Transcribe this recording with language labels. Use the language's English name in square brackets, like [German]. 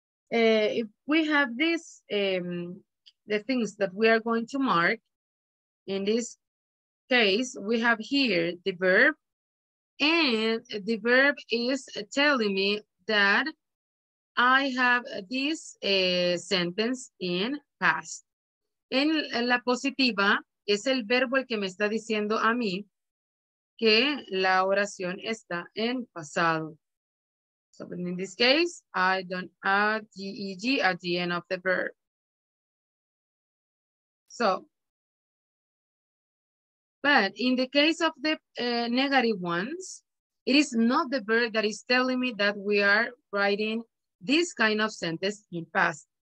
[English] If we have this, the things that we are going to mark, in this case, we have here the verb, and the verb is telling me that I have this sentence in past. [Spanish] En la positiva, es el verbo el que me está diciendo a mí que la oración está en pasado. [English] So in this case, I don't add the ed at the end of the verb. So, but in the case of the negative ones, it is not the verb that is telling me that we are writing this kind of sentence in past.